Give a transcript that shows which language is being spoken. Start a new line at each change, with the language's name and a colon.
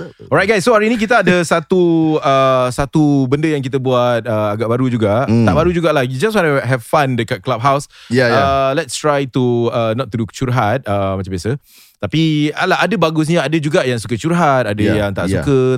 Malay: Alright guys, so hari ni kita ada satu satu benda yang kita buat agak baru juga. Tak baru jugalah.
English: You just want to have fun dekat clubhouse. Let's try to not to do curhat
Malay: macam biasa. Tapi ala, ada bagusnya, ada juga yang suka curhat, ada yang tak suka.